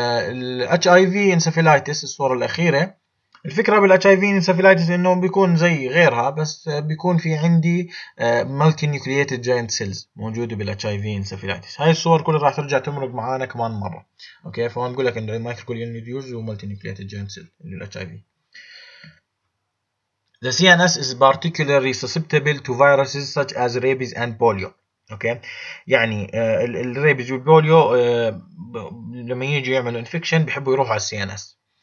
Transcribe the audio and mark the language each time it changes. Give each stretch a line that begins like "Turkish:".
English: الاتش I V encephalitis
Arabic: الصوره الاخيره، الفكرة
English: بالاتش I V encephalitis
Arabic: انه بيكون زي غيرها بس بيكون في عندي
English: multinucleated giant cells
Arabic: موجودة
English: بالاتش I V encephalitis.
Arabic: هاي الصور كلها راح ترجع تمرق معانا كمان مرة. اوكي، فهون بقول لك انه
English: microglial nodules ومالتي نيوكليتد giant cell
Arabic: اللي الاتش اي في.
English: The CNS is particularly susceptible to viruses such as rabies and polio.
Arabic: اوكي يعني الريبيز والبوليو لما يجي يعملوا انفكشن بيحبوا يروحوا على السي ان اس.